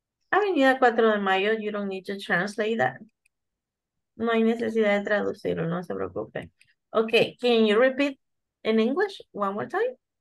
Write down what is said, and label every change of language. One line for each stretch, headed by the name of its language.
English: Avenida 4 de Mayo, you don't need to translate that.
Spanish: No hay necesidad de traducirlo, no se preocupe.
English: Okay, can you repeat in English one more time?